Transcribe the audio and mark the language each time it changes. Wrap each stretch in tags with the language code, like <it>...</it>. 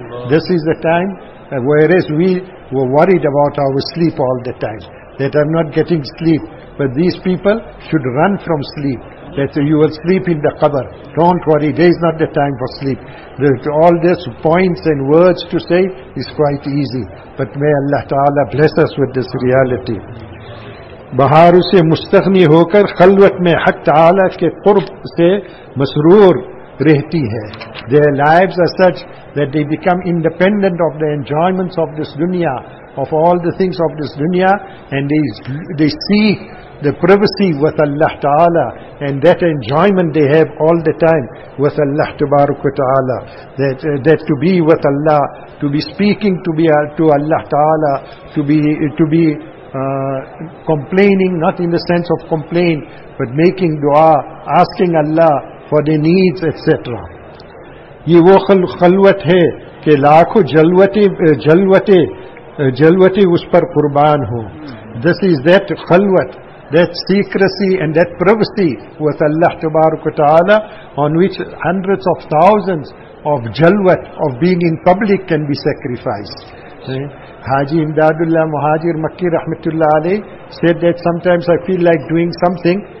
<en>This is the time, whereas we were worried about our sleep all the time, that I'm not getting sleep. But these people should run from sleep, that you will sleep in the qabr. Don't worry, there is not the time for sleep. All these points and words to say is quite easy. But may Allah Ta'ala bless us with this reality.</en> <ur>بہار سے مستغنی ہو کر خلوت میں حق تعالی کے قرب سے مسرور رہتی ہے.</ur> <en>Their lives are such that they become independent of the enjoyments of this dunya, of all the things of this dunya, and they seek the privacy with Allah Ta'ala, and that enjoyment they have all the time with Allah Tabaraka wa Ta'ala, that to be with Allah, to be speaking to Allah Ta'ala, to be complaining, not in the sense of complaint, but making dua, asking Allah for their needs, etc.</en> <ur>یہ وہ خلوت ہے کہ لاکھوں جلوتے اس پر قربان ہو.</ur> <en>This is that خلوت, that secrecy and that privacy with Allah Tabaraka Ta'ala, on which hundreds of thousands of jalwat, of being in public, can be sacrificed. Haji Imdadullah Muhajir Makki Rahmatullah Ali said that sometimes I feel like doing something.</en>